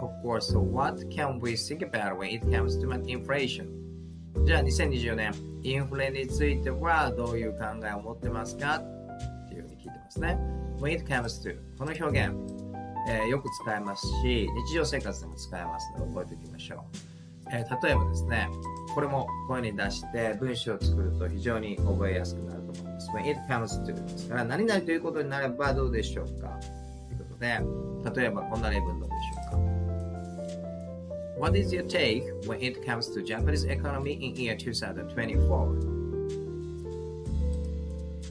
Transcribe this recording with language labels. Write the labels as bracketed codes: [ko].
[en] of course, so what can we think about when it comes to inflation? [ja] じゃあ2024年インフレについてはどういう考えを持ってますか、ね、 [en] When it comes to [ja] この表現、よく使えますし日常生活でも使えますので覚えておきましょう、例えばですね、これも声に出して文章を作ると非常に覚えやすくなると思います。 When it comes to ですから何々ということになればどうでしょうかということで、例えばこんな例文どうでしょうか。 [en] What is your take when it comes to Japanese economy in year 2024?